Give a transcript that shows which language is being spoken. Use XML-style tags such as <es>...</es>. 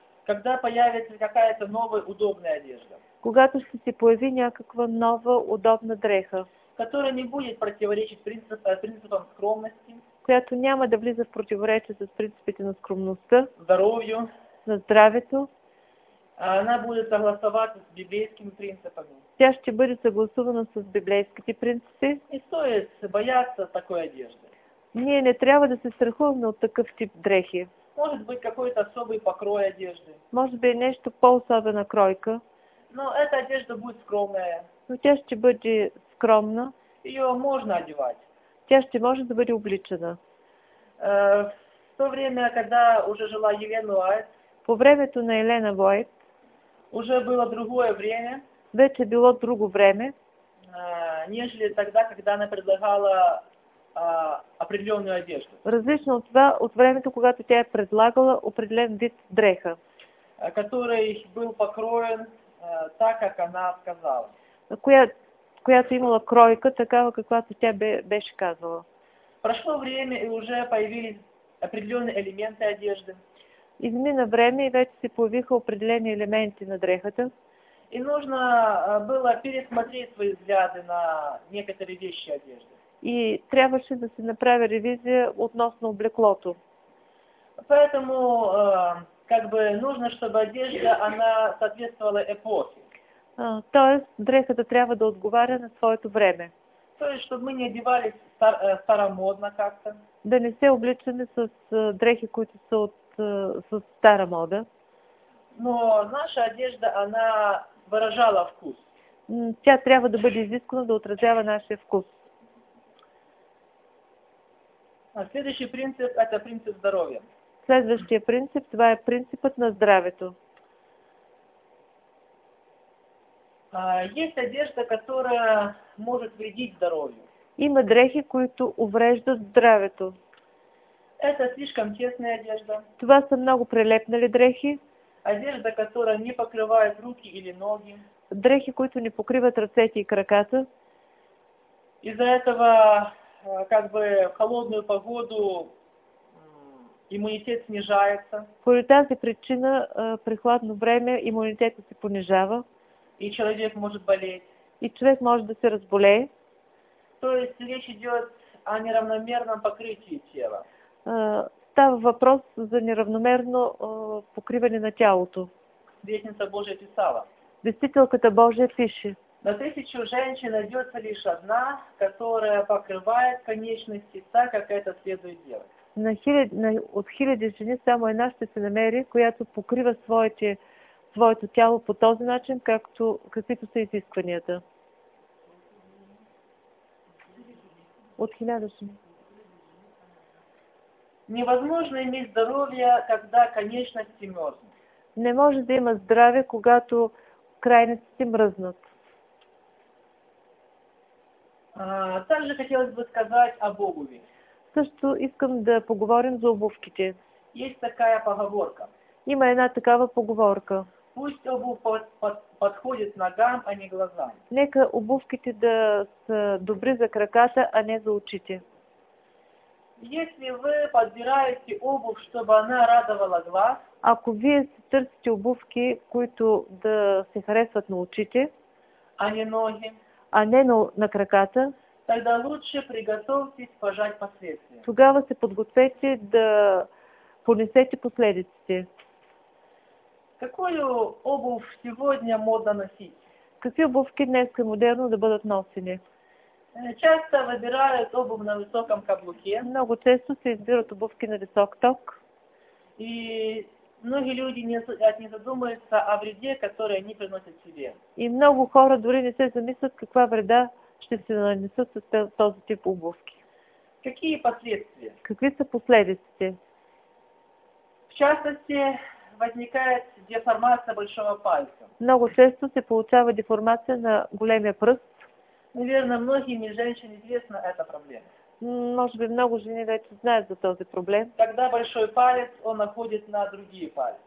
<ru>Когда появится какая-то новая удобная одежда.</ru> <bg>Когато ще се появи някаква нова удобна дреха.</bg> <ru>Которая не будет противоречить принципам скромности.</ru> <bg>Която няма да влиза в противоречие с принципите на скромността.</bg> <ru>Здоровью.</ru> <bg>На здравето.</bg> <ru>Она будет согласоваться с библейскими принципами.</ru> <bg>Тя ще бъде съгласувана с библейските принципи.</bg> <ru>И стоит бояться такой одежды.</ru> <bg>Ние не трябва да се страхуваме от такъв тип дрехи.</bg> <ru>Может быть какой-то особый покрой одежды.</ru> <bg>Може би нещо по-особена кройка.</bg> <ru>Но эта одежда будет скромная.</ru> <bg>Но тя ще бъде скромна.</bg> <ru>Ее можно одевать.</ru> <bg>Тя ще може да бъде обличена.</bg> <ru>В то время, когда уже жила Елена Уайт,</ru> <bg>по времето на Елена Уайт,</bg> <ru>уже было другое время,</ru> <bg>вече било друго време,</bg> <ru>нежели тогда, когда она предлагала определенную одежду.</ru> <bg>Различно от това, от времето, когато тя е предлагала определен вид дреха.</bg> <ru>Который был покроен так, как она сказала.</ru> <bg>Която имала кройка, такава каквато тя беше казала.</bg> <ru>Прошло време и уже появились определенные элементы одежды.</ru> <bg>Измина време и вече се появиха определени елементи на дрехата.</bg> <ru>И нужно было пересмотреть свои взгляды на некоторые вещи одежды.</ru> <bg>И трябваше да се направи ревизия относно облеклото.</bg> <ru>Поэтому как бы нужно, чтобы одежда она соответствовала эпохе.</ru> <bg>Тоест, дрехата трябва да отговаря на своето време.</bg> <ru>Тоест, чтобы мы не одевались старомодно как-то.</ru> <bg>Да не се обличаме с дрехи, които са с стара мода.</bg> <ru>Но наша одежда, она выражала вкус.</ru> <bg>Тя трябва да бъде изискана да отразява нашия вкус.</bg> <ru>Следующий принцип – это принцип здоровья.</ru> <bg>Следващия принцип – това е принципът на здравето.</bg> <ru>Есть одежда, которая может вредить здоровью.</ru> <bg>Има дрехи, които увреждат здравето.</bg> <ru>Это слишком тесная одежда.</ru> <bg>Това са много прилепнали дрехи.</bg> <ru>Одежда, которая не покрывает руки или ноги.</ru> <bg>Дрехи, които не покриват ръцете и краката.</bg> <ru>Из-за этого, как бы, в холодную погоду иммунитет снижается.</ru> <bg>По тази причина, при хладно време имунитетът се понижава.</bg> <ru>И человек может болеть.</ru> <bg>И</bg> <ru>человек может</ru> <bg>да се разболее.</bg> <ru>То есть речь идет о неравномерном покрытии тела.</ru> <bg>Става въпрос за неравномерно покриване на тялото.</bg> <ru>Вестница Божия писала.</ru> <bg>Вестителката Божия пише.</bg> <ru>На 1000 женщин найдется лишь одна, которая покрывает конечности так, как это следует делать.</ru> <bg>От хиляди жени само една ще се намери, която покрива своето тяло по този начин, каквито са изискванията. От 1000 жени.</bg> <ru>Невъзможно иметь здоровье, когда конечности мерзнут.</ru> <bg>Не може да има здраве, когато крайностите мръзнат.</bg> <ru>Также хотелось бы сказать об обуви.</ru> <bg>Също искам да поговорим за обувките.</bg> <ru>Есть такая поговорка.</ru> <bg>Има една такава поговорка.</bg> <ru>Пусть обувь подходит ногам, а не глазам.</ru> <bg>Нека обувките да са добри за краката, а не за очите.</bg> <ru>Если вы подбираете обувь, чтобы она радовала глаз,</ru> <bg>ако вие си търсите обувки, които да се харесват на очите,</bg> <ru>а не ноги,</ru> <bg>а не на краката,</bg> <ru>тогда лучше приготовьтесь пожать последствия.</ru> <bg>Тогава се подгответе да понесете последиците.</bg> <ru>Какую обувь сегодня модно носить?</ru> <bg>Какви обувки днес е модерно да бъдат носени?</bg> <ru>Часто выбирают обувь на высоком каблуке.</ru> <bg>Много често се избират обувки на висок ток.</bg> <ru>И многие люди не задумываются о вреде, который они приносят себе.</ru> <bg>И много хора дори не се замислят каква вреда ще се нанесат с този тип обувки.</bg> <ru>Какие последствия?</ru> <bg>Какви са последиците?</bg> <ru>В частности, възникает деформация большого пальца.</ru> <bg>Много често се получава деформация на големия пръст.</bg> <ru>Наверное, многим женщинам известна эта проблема. Может быть,</ru> <bg>много жени вече</bg> <ru>знают</ru> <bg>за този проблем.</bg> <ru>Когда большой палец, он находит на другие пальцы.</ru>